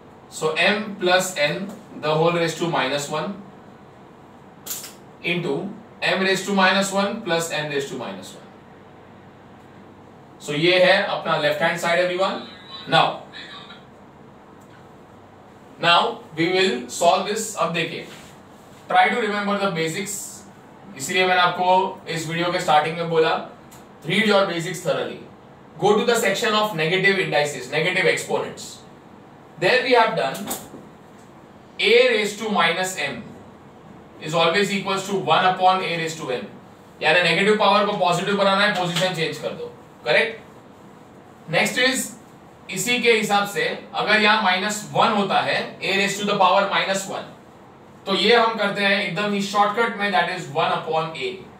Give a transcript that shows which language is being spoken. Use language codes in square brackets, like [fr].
[en] So m plus n the whole raised to minus 1 into m raised to minus 1 plus n raised to minus 1. So [hi] ये है अपना [en] left hand side everyone. Now we will solve this. [hi] अब देखिए, [en] try to remember the basics. [hi] इसलिए मैंने आपको इस video के स्टार्टिंग में बोला, [en] read your basics thoroughly. Go to the section of negative indices, negative exponents. There we have done a raised to minus m is always equals to 1 upon a raised to n. [hi] यानी negative power को positive बनाना है, position change कर दो, correct? Next is इसी के हिसाब से अगर यहां माइनस वन होता है a raise to the power minus one, तो ये हम करते हैं एकदम ही शॉर्टकट में, [en] That is one upon a.